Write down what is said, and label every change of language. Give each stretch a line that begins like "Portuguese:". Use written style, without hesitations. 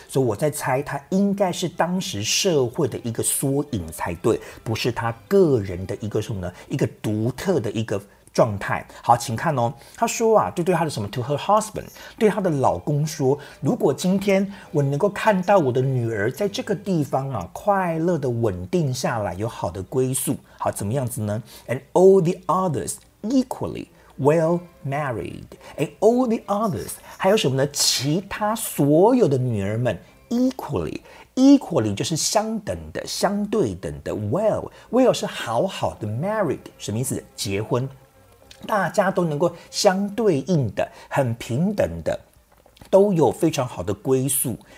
Chinese: 所以我在猜他应该是当时社会的一个缩影才对，不是他个人的一个什么呢，一个独特的一个状态。好，请看哦，他说啊，对他的什么
English: to her husband，
Chinese: 对他的老公说，如果今天我能够看到我的女儿在这个地方啊快乐的稳定下来，有好的归宿，好，怎么样子呢？
English: And all the others equally well married。 And all the others
Chinese: 还有什么呢？其他所有的女儿们 equallyequally 就是相等的，相对等的。 well， well 是好好的， married 什么意思？结婚，大家都能够相对应的，很平等的，都有非常好的归宿。